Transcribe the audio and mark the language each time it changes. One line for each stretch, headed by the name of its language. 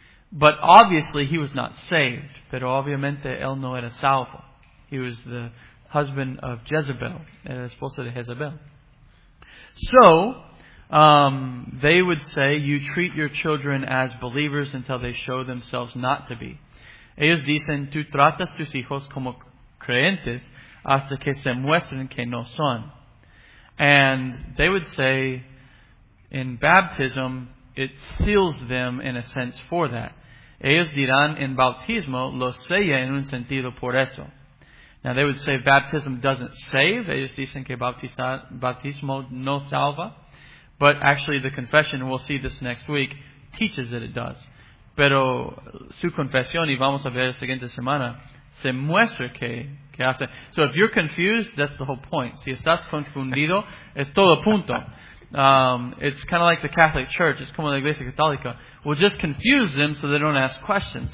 English: But obviously, he was not saved.
Spanish: Pero obviamente, él no era salvo.
English: He was the husband of Jezebel,
Spanish: el esposo de Jezebel.
English: So, they would say, you treat your children as believers until they show themselves not to be.
Spanish: Ellos dicen, tú tratas tus hijos como creyentes hasta que se muestren que no son.
English: And they would say, in baptism, it seals them in a sense for that.
Spanish: Ellos dirán, en bautismo, lo sella en un sentido por eso.
English: Now, they would say baptism doesn't save.
Spanish: Ellos dicen que bautismo no salva.
English: But actually, the confession, we'll see this next week, teaches that it does.
Spanish: Pero su confesión, y vamos a ver la siguiente semana, se muestra que hace.
English: So, if you're confused, that's the whole point.
Spanish: Si estás confundido, es todo punto.
English: It's kind of like the Catholic Church. It's
Spanish: como la Iglesia Católica.
English: We'll just confuse them so they don't ask questions.